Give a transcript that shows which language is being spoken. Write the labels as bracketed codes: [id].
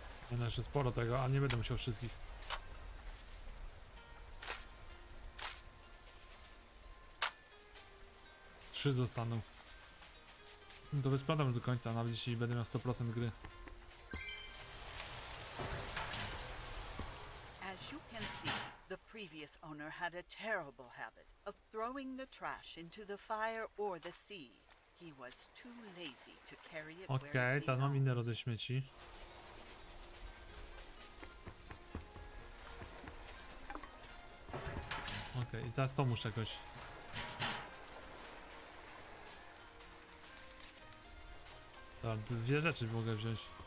[pl] Będę jeszcze sporo tego, a nie będę musiał wszystkich. Trzy zostaną. No to wysprzątam już do końca, nawet jeśli będę miał 100% gry. [en] As you can see, the previous owner had a terrible habit of throwing the trash into the fire or the sea. He was too lazy to carry it. [pl] Okej, teraz mam inne rodzaje śmieci. Okej, i teraz to muszę jakoś. Tam dwie rzeczy mogę wziąć.